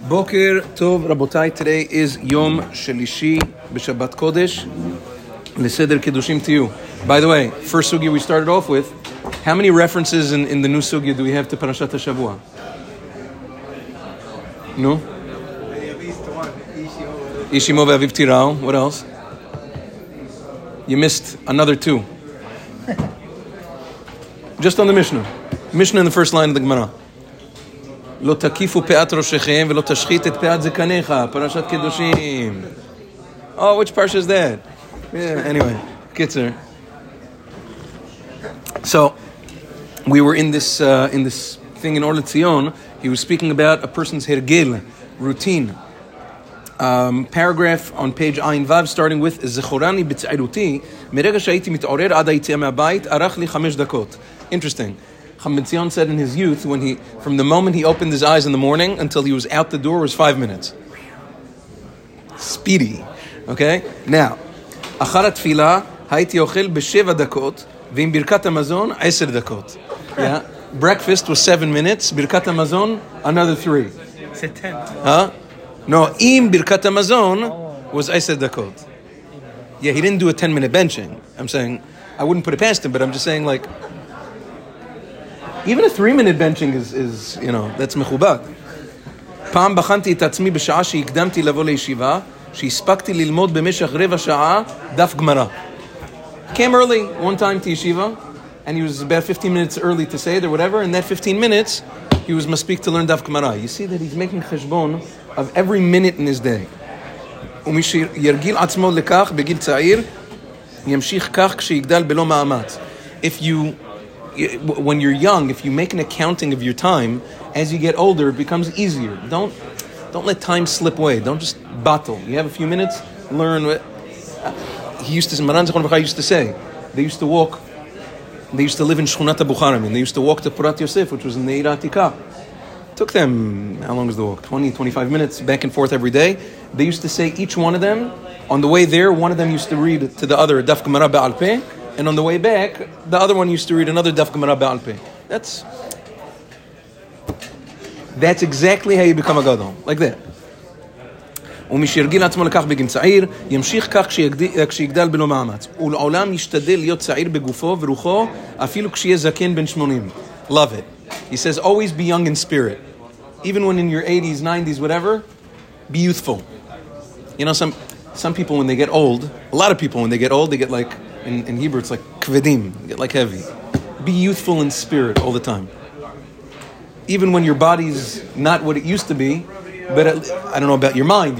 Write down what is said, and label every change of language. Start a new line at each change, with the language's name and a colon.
Hebrew: בוקר טוב רבותיי,
English: today is
Hebrew: יום שלישי בשבת קודש לסדר קדושים תהיו.
English: By the way, first sugya we started off with, how many references in the new sugya do we have to parashat השבוע? No? Ishimo
Hebrew: ואביב תיראו,
English: what else? You missed another two. Just on the Mishnah. Mishnah in the first line of the Gemara.
Hebrew: לא תקיפו פאת ראשיכם ולא תשחית את פאת זקניך. פרשת קדושים.
English: Oh, which parsha is that? Yeah, anyway, קיצר. So, we were in this thing in Or Lezion. He was speaking about a person's hergel, routine. Paragraph on page Ayin Vav, starting with,
Hebrew: זכורני בצעירותי, מרגע שהייתי מתעורר עד היציאה מהבית, ערך לי חמש דקות.
English: Interesting. Chaim ben Tzion said in his youth, from the moment he opened his eyes in the morning until he was out the door was 5 minutes. Speedy. Okay?
Hebrew: Now, אחר התפילה, הייתי אוכל בשבע דקות, ועם ברכת המזון, עשר דקות.
English: Yeah? Breakfast was 7 minutes, ברכת המזון, another three. It's a ten. Huh?
Hebrew: No, עם ברכת המזון was עשר דקות.
English: Yeah, he didn't do a 10-minute benching. I'm saying, I wouldn't put it past him, but I'm just saying like, even a 3-minute benching is you know, that's מכובד.
Hebrew: פעם בחנתי את עצמי בשעה שהקדמתי לבוא לישיבה, שהספקתי ללמוד במשך רבע שעה דף גמרא.
English: Came early one time to yeshiva, and he was about 15 minutes early to say it or whatever, and that 15 minutes, he was מספיק to learn דף גמרא. You see that he's making חשבון of every minute in his day.
Hebrew: ומי שירגיל עצמו לכך בגיל צעיר, ימשיך כך כשיגדל בלא מאמץ.
English: If you... when you're young, if you make an accounting of your time, as you get older, it becomes easier. Don't let time slip away. Don't just battle. You have a few minutes, learn. Maran Zechon Baruch used to say, they used to live in Shchunat HaBukharim, and they used to walk to Purat Yosef, which was in the Eir Atika. Took them, how long is the walk? 20, 25 minutes, back and forth every day. They used to say, each one of them, on the way there, one of them used to read to the other, Daf Gemara Ba'al Peh. And on the way back, the other one used to read another Daf Gemara Ba'al Peh. That's exactly how you become a gadol, like that.
Hebrew: ומי שירגיל עצמו לכך בגיל צעיר, ימשיך כך כשיגדל בלא מאמץ. ולעולם ישתדל להיות צעיר בגופו ורוחו, אפילו כשיהיה זקן בן 80.
English: Love it. He says, always be young in spirit. Even when in your 80s, 90s, whatever, be youthful. You know, some people when they get old, a lot of people when they get old, they get like, In Hebrew, it's like kvedim, get like heavy. Be youthful in spirit all the time. Even when your body's not what it used to be, but at, I don't know about your mind.